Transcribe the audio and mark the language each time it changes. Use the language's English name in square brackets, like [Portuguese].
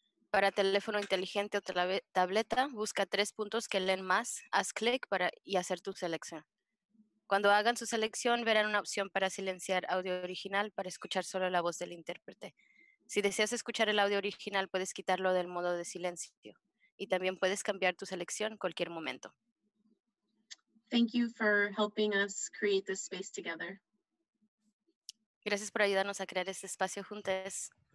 [Spanish] Para teléfono inteligente o tableta, busca tres puntos que leen más, haz clic para y hacer tu selección. Cuando hagan su selección, verán una opción para silenciar audio original para escuchar solo la voz del intérprete. Si deseas escuchar el audio original, puedes quitarlo del modo de silencio y también puedes cambiar tu selección cualquier momento. [English] Thank you for helping us create this space together. [Spanish] Gracias por ayudarnos a crear este espacio juntos.